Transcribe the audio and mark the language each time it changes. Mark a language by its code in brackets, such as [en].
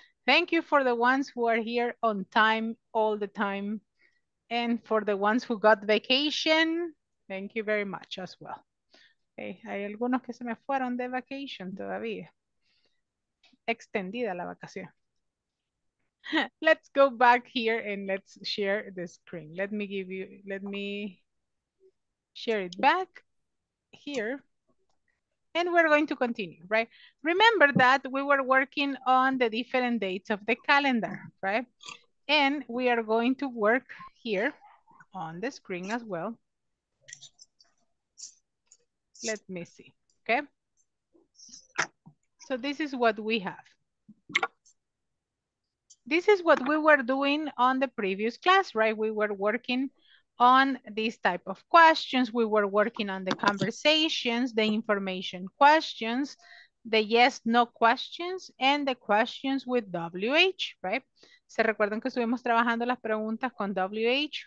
[en] Thank you for the ones who are here on time, all the time. And for the ones who got vacation, thank you very much as well. [es] Hay algunos que se me fueron de vacation todavía. Extendida la vacación. [en] Let's go back here and let's share the screen. Let me share it back here. And we're going to continue, right? Remember that we were working on the different dates of the calendar, right? And we are going to work here on the screen as well. Let me see, okay? So this is what we have. This is what we were doing on the previous class, right? We were working on these type of questions. We were working on the conversations, the information questions, the yes, no questions, and the questions with WH, right? [es] ¿Se recuerdan que estuvimos trabajando las preguntas con WH?